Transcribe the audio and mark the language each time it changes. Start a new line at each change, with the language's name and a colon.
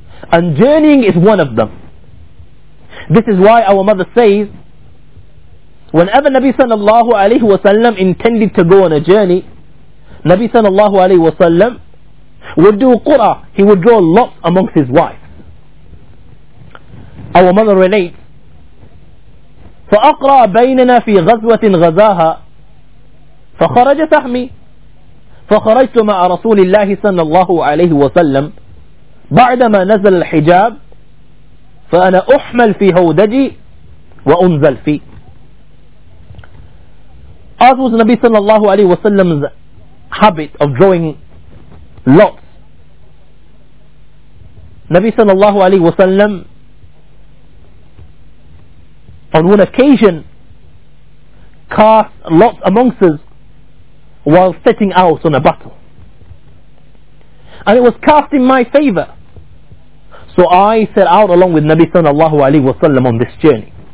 English: And journeying is one of them. This is why our mother says, whenever Nabi sallallahu alayhi wa sallam intended to go on a journey, Nabi sallallahu alayhi wa sallam would do qura, he would draw lots amongst his wives. Our mother relates,
Arabic: فَأَقْرَى بَيْنَنَا فِي غَزْوَةٍ غَزَاهَا فَخَرَجَ سَحْمِي فَخَرَجْتُ مَعَ رَسُولِ اللَّهِ صَلَّى اللَّهُ عَلَيْهِ وَسَلَّمْ بَعْدَمَا نَزَلَ الْحِجَابِ فَأَنَا أُحْمَلْ فِي هَوْدَجِي وَأُنْزَلْ فِي.
English: As was Nabi sallallahu alayhi wa sallam's habit of drawing lots, Nabi sallallahu alayhi wa sallam on one occasion cast lots amongst us while setting out on a battle, and it was cast in my favor, so I set out along with Nabi sallallahu alayhi wa sallam on this journey.